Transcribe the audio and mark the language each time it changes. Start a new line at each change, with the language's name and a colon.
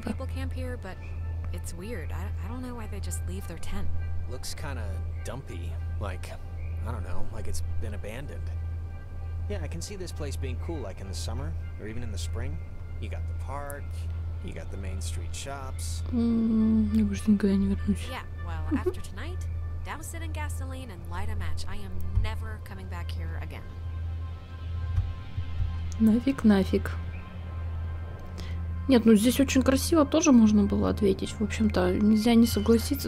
English: Some people camp here, but it's weird. I don't know why they just leave their tent. Looks kind of dumpy. Like, I don't know, like it's been abandoned. Yeah, I can see this place being cool like in the summer or even in the spring. You got the park, you got the main street shops.
Russian: Я больше никогда не вернусь.
English: Yeah, well, after tonight, douse it in gasoline and light a match. I am never coming back here again.
Russian: Нафиг, нафиг. Нет, ну здесь очень красиво тоже можно было ответить. В общем-то, нельзя не согласиться.